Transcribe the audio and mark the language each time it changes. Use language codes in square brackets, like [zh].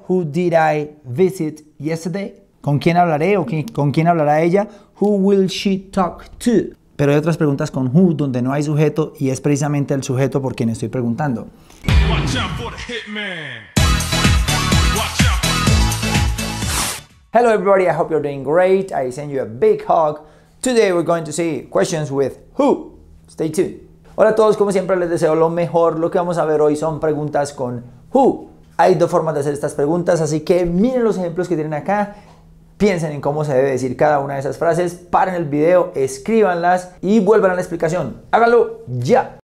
[en] Who did I visit yesterday? [es] ¿Con quién hablaré o con quién hablará ella? [en] Who will she talk to? [es] Pero hay otras preguntas con who donde no hay sujeto y es precisamente el sujeto por quien estoy preguntando. [en] Watch out for the hitman. Watch out. Hello everybody, I hope you're doing great. I send you a big hug. Today we're going to see questions with who. Stay tuned. [es] Hola a todos, como siempre les deseo lo mejor. Lo que vamos a ver hoy son preguntas con who. Hay dos formas de hacer estas preguntas, así que miren los ejemplos que tienen acá. Piensen en cómo se debe decir cada una de esas frases. Paren el video, escríbanlas y vuelvan a la explicación. ¡Háganlo ya!